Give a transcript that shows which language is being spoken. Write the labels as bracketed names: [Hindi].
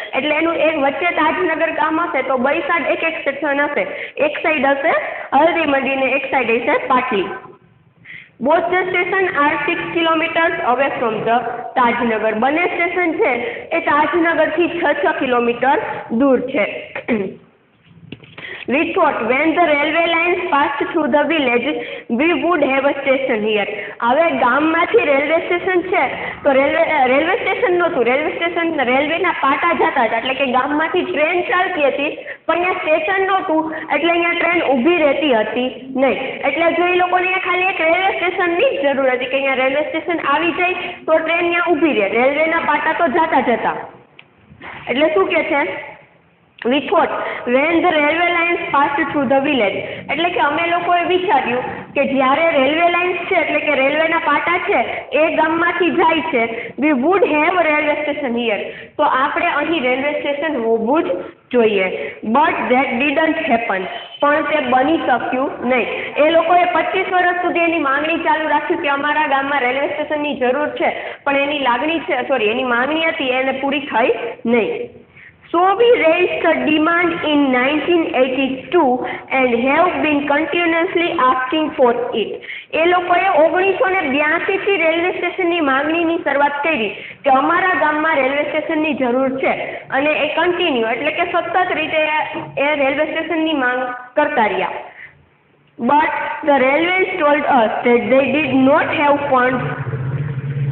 [Gujarati] એટલે એનું એક વચ્ચે તાજનગર ગામ હશે તો બૈસાડ એક એક સ્ટેશન હશે, એક સાઈડ હશે હલ્દી મંડી ને એક સાઈડ હશે પાટલી. [English] Both the station are 6 kilometres away from the Tajnagar. [Gujarati] બંને સ્ટેશન છે એ તાજનગરથી 6-6 કિલોમીટર દૂર છે. [English] We thought when the railway lines passed through the village, we would have a station here. [Gujarati] હવે ગામમાંથી રેલવે સ્ટેશન છે તો રેલવે સ્ટેશન નહોતું, રેલવે સ્ટેશન રેલવેના પાટા જતા હતા, એટલે કે ગામમાંથી ટ્રેન ચાલતી હતી પણ ત્યાં સ્ટેશન નહોતું, એટલે અહીંયા ટ્રેન ઊભી રહેતી હતી નહીં. એટલે જો એ લોકોને ખાલી એક રેલવે સ્ટેશનની જ જરૂર હતી કે અહીંયા રેલવે સ્ટેશન આવી જાય તો ટ્રેન ત્યાં ઊભી રહે, રેલવેના પાટા તો જતા જ હતા. એટલે શું કહે છે? [English] We thought when the railway lines passed through the village, [Gujarati] એટલે કે અમે લોકોએ વિચાર્યું કે જ્યારે રેલવે લાઇન્સ છે, એટલે કે રેલવેના પાટા છે એ ગામમાંથી જાય છે, [English] we would have railway station here, [Gujarati] તો આપણે અહીં રેલવે સ્ટેશન હોવું જ જોઈએ. [English] but that didn't happen, [Gujarati] પણ તે બની શક્યું નહીં. એ લોકોએ 25 વર્ષ સુધી એની માંગણી ચાલુ રાખી કે અમારા ગામમાં રેલવે સ્ટેશનની જરૂર છે, પણ એની લાગણી છે, સોરી એની માંગણી હતી, એને પૂરી થઈ નહીં. [English] So we raised the demand in 1982 and have been continuously asking for it. [Gujarati] એ લોકોએ 1982 થી રેલવે સ્ટેશનની માંગણીની શરૂઆત કરી કે અમારા ગામમાં રેલવે સ્ટેશનની જરૂર છે, અને એ કન્ટિન્યુ એટલે કે સતત રીતે એ રેલવે સ્ટેશનની માંગ કરતા રહ્યા. [English] but the railway told us that they did not have fund